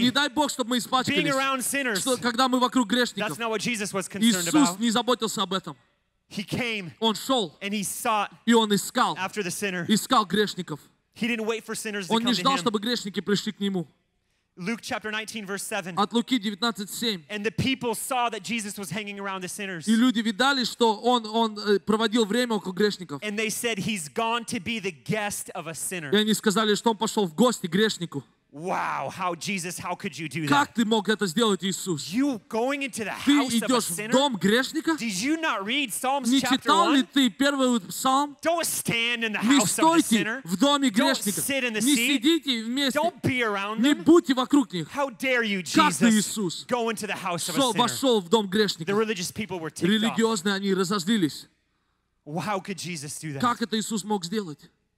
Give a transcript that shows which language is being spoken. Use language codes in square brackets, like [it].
[ru] О, не дай Бог, чтобы мы испачкались. [en] Being around sinners. [ru] Что, когда мы вокруг грешников. [en] That's not what Jesus was concerned [ru] Иисус [en] about. [ru] Не заботился об этом. [en] He came [ru] он шел, [en] and he sought [ru] и он искал, [en] after the sinner. [ru] Искал грешников. [en] He didn't wait for sinners to [ru] Он [en] come [ru] не ждал, [en] to him. [ru] Чтобы грешники пришли к Нему. [en] Luke chapter 19, verse 7. [ru] От Луки 19:7. [en] And the people saw that Jesus was hanging around the sinners. [ru] И люди видали, что он проводил время около грешников. [en] And they said, he's gone to be the guest of a sinner. [ru] И они сказали, что он пошел в гости к грешнику. [en] Wow, how Jesus, how could you do that? [ru] Как ты мог это сделать, Иисус? [en] You going into the house of a sinner? [ru] Ты идешь в дом грешника? [en] Did you not read Psalms [ru] Не [en] chapter 1? [ru] Не читал ли ты первый псалм? [en] Don't stand in the house of the sinner. [ru] Не стойте в доме грешника. [en] Don't sit in the [ru] Не [en] seat. [ru] Не сидите вместе. [en] Don't be around them. [ru] Не будьте вокруг них. [en] How dare you, Jesus? [ru] Как ты, Иисус? [en] Go into the house of a sinner. [ru] Вошел в дом грешника. [en] The religious people were ticked off. [ru] Религиозные они разозлились. [en] Well, how could Jesus do that? [ru] Как это Иисус мог сделать?